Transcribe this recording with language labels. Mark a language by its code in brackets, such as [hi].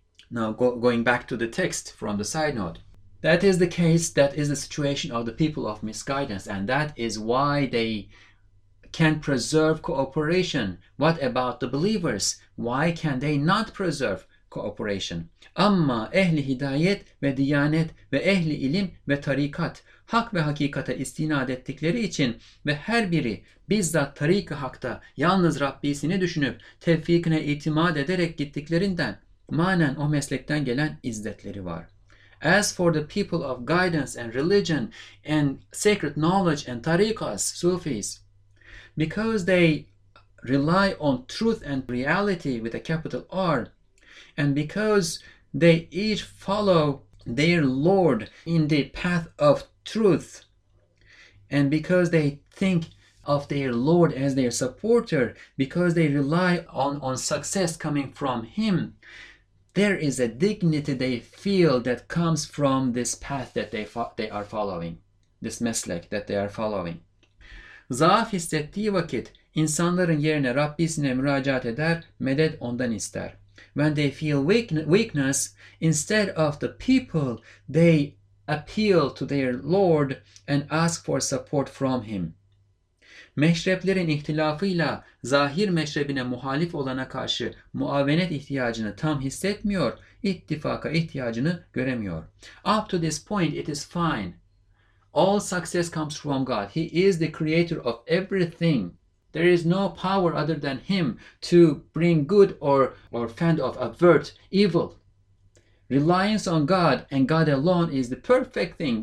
[en] Now, going back to the text from the side note. That is the case, that is the situation of the people of misguidance, and that is why they can preserve cooperation. What about the believers? Why can they not preserve cooperation? [tr] Amma ehli hidayet ve diyanet ve ehli ilim ve tarikat hak ve hakikate istinad ettikleri için ve her biri bizzat tarik-ı hakta yalnız Rabbisini düşünüp tevfikine itimat ederek gittiklerinden manen o meslekten gelen izzetleri var. [en] As for the people of guidance and religion and sacred knowledge and tariqas, Sufis, because they rely on truth and reality with a capital R, and because they each follow their Lord in the path of truth, and because they think of their Lord as their supporter, because they rely on success coming from Him, there is a dignity they feel that comes from this path that they are following, this meslek that they are following. [tr] Zaaf hissettiği vakit insanların yerine Rabbisine müracaat eder, medet ondan ister. [en] When they feel weakness, instead of the people, they appeal to their Lord and ask for support from Him. [tr] Meşreplerin ihtilafıyla zahir meşrebine muhalif olana karşı muavenet ihtiyacını tam hissetmiyor, ittifaka ihtiyacını göremiyor. [en] Up to this point it is fine. All success comes from God. He is the creator of everything. There is no power other than Him to bring good or fend off, avert evil. Reliance on God and God alone is the perfect thing.